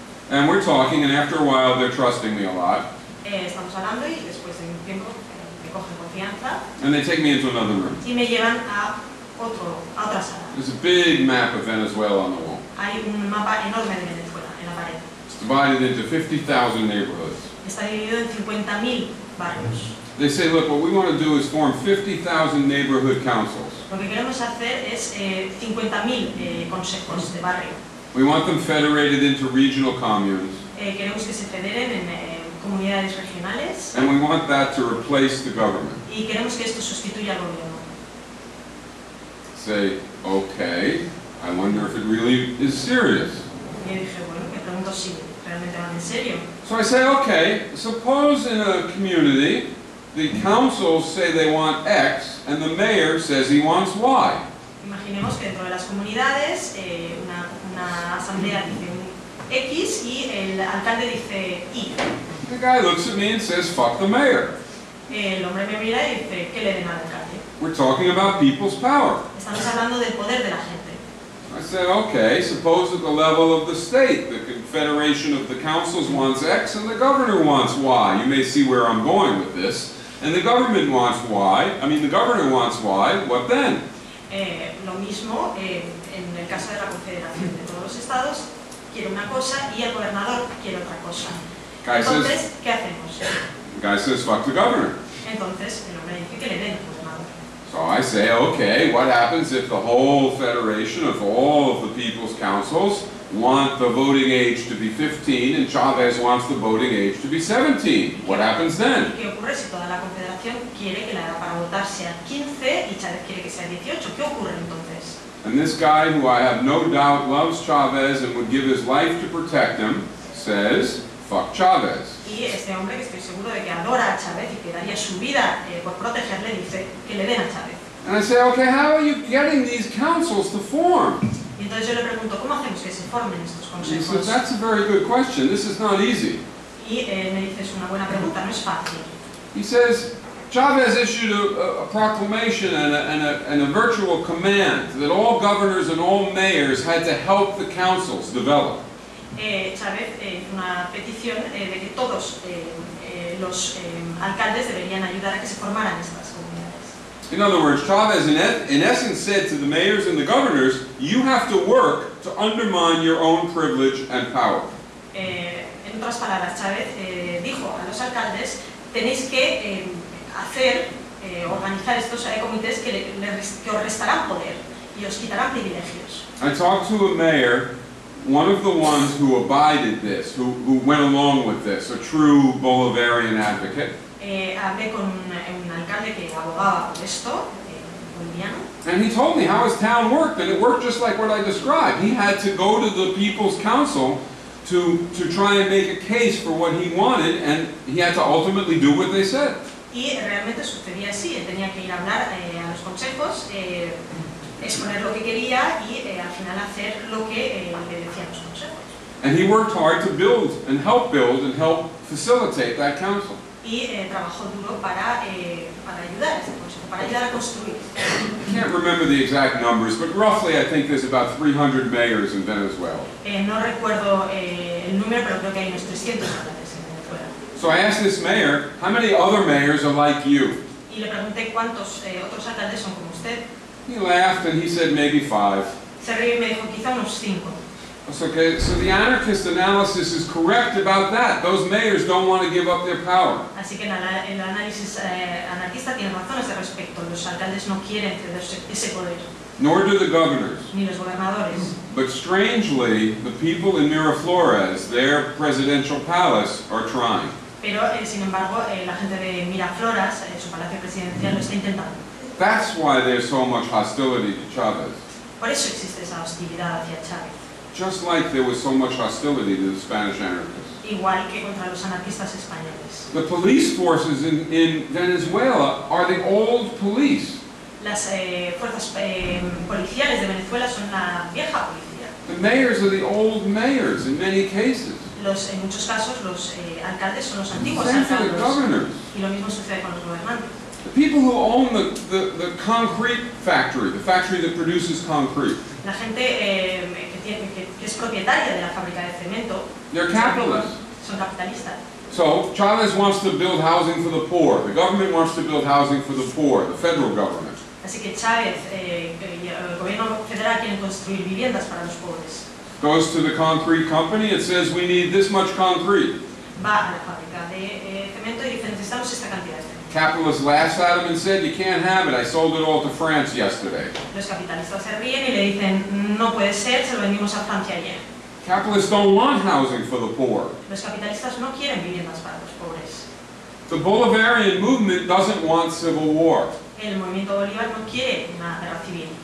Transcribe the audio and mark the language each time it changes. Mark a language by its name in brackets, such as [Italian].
[English] And we're talking, and after a while they're trusting me a lot. [Spanish] Estamos hablando y después de un tiempo me cogen confianza. [English] And they take me into another room. [Spanish] Y me llevan a otra sala. [English] There's a big map of Venezuela on the wall. [Spanish] Hay un mapa enorme de Venezuela en la pared. [English] It's divided into 50,000 neighborhoods. [Spanish] Está dividido en 50,000 barrios. [English] They say, look, what we want to do is form 50,000 neighborhood councils. [Spanish] Lo que queremos hacer es 50,000 consejos de barrio. [English] We want them federated into regional communes. [Spanish] Queremos que se federen en comunidades regionales. [English] And we want that to replace the government. [Spanish] Y queremos que esto sustituya al gobierno. [English] Say, okay, I wonder if it really is serious. [Spanish] Y dije, bueno, me pregunto si realmente van en serio. [English] So I say, okay, suppose in a community the councils say they want X and the mayor says he wants Y. [Spanish] Imaginemos que dentro de las comunidades una asamblea dice un X y el alcalde dice Y. [English] The guy looks at me and says, fuck the mayor. [Spanish] El hombre me mira y dice, ¿qué le den al alcalde? [English] We're talking about people's power. [Spanish] Estamos hablando del poder de la gente. [English] I said, okay, suppose at the level of the state, the confederation of the councils wants X and the governor wants Y. You may see where I'm going with this. And the government wants Y, I mean the governor wants Y, what then? [Spanish] Lo mismo en el caso de la confederación de todos los estados, quiere una cosa y el gobernador quiere otra cosa. [English] The guy says, fuck the governor. [Spanish] Entonces, el hombre dice que le den al gobernador. [English] So I say, okay, what happens if the whole federation of all of the people's councils want the voting age to be 15 and Chavez wants the voting age to be 17? What happens then? [Spanish] ¿Qué ocurre si toda la confederación quiere que la edad para votar sea 15 y Chavez quiere que sea 18? ¿Qué ocurre entonces? [English] And this guy, who I have no doubt loves Chavez and would give his life to protect him, says, fuck Chávez. [Spanish] Y este hombre, que estoy seguro de que adora a Chávez y que daría su vida por protegerle, dice que le den a Chávez. [English] And I say, okay, how are you getting these councils to form? [Spanish] Y entonces yo le pregunto, ¿cómo hacemos que se formen estos consejos? [English] He says, that's a very good question. This is not easy. [Spanish] Y me dice, es una buena pregunta, no es fácil. [English] He says, Chávez issued a proclamation and a virtual command that all governors and all mayors had to help the councils develop. [Spanish] Chávez hizo una petición de que todos los alcaldes deberían ayudar a que se formaran estas comunidades. [English] In other words, Chávez in essence said to the mayors and the governors, you have to work to undermine your own privilege and power. [Spanish] En otras palabras, Chávez dijo a los alcaldes, tenéis que hacer, organizar estos comités que os restarán poder y os quitarán privilegios. [English] I talked to a mayor, one of the ones who abided this, who went along with this, a true Bolivarian advocate. [Spanish] Hablé con un alcalde que abogaba por esto, boliviano. [English] And he told me how his town worked, and it worked just like what I described. He had to go to the people's council to try and make a case for what he wanted, and he had to ultimately do what they said. [Spanish] Y realmente sucedía así, él tenía que ir a hablar a los consejos, exponer lo que quería y al final hacer lo que le decían los consejos. [English] And he worked hard to build and help facilitate that council. [Spanish] Y trabajó duro para ayudar a este consejo, para ayudar a construir. [English] I can't remember the exact numbers, but roughly I think there's about 300 mayors in Venezuela. [Spanish] No recuerdo el número, pero creo que hay unos 300 mayores. [English] So I asked this mayor, how many other mayors are like you? [Spanish] Y le pregunté cuántos otros alcaldes son como usted. [English] He laughed and he said maybe five. [Spanish] Se ríe y me dijo quizá unos cinco. [English] Okay, so the anarchist analysis is correct about that. Those mayors don't want to give up their power. [Spanish] Así que el análisis anarquista tiene razón a ese respecto. Los alcaldes no quieren ceder ese poder. [English] Nor do the governors. [Spanish] Ni los gobernadores. [English] But strangely, the people in Miraflores, their presidential palace, are trying. [Spanish] Pero, sin embargo, la gente de Miraflores, su palacio presidencial, lo está intentando. [English] That's why there's so much hostility to Chávez. [Spanish] Por eso existe esa hostilidad hacia Chávez. [English] Just like there was so much hostility to the Spanish anarchists. [Spanish] Igual que contra los anarquistas españoles. [English] The police forces in Venezuela are the old police. [Spanish] Las fuerzas policiales de Venezuela son la vieja policía. [English] The mayors are the old mayors in many cases. [Spanish] En muchos casos los alcaldes son los antiguos alcaldes. Y lo mismo sucede con los gobernantes. [English] The people who own the concrete factory, the factory that produces concrete. [Spanish] La gente que es propietaria de la fábrica de cemento. [English] They're capitalists. [Spanish] Son capitalistas. [English] So, Chávez wants to build housing for the poor. The government wants to build housing for the poor, the federal government. [Spanish] Así que Chávez y el gobierno federal quieren construir viviendas para los pobres. [English] Goes to the concrete company, it says we need this much concrete. [Spanish] Va a la fábrica de cemento y dice necesitamos esta cantidad de cemento. [English] Capitalist laughs at him and said you can't have it, I sold it all to France yesterday. [Spanish] Los capitalistas se ríen y le dicen no puede ser, se lo vendimos a Francia ayer. [English] Capitalists don't want housing for the poor. [Spanish] Los capitalistas no quieren viviendas para los pobres. [English] The Bolivarian movement doesn't want civil war. [Spanish] El movimiento Bolívar no quiere una guerra civil.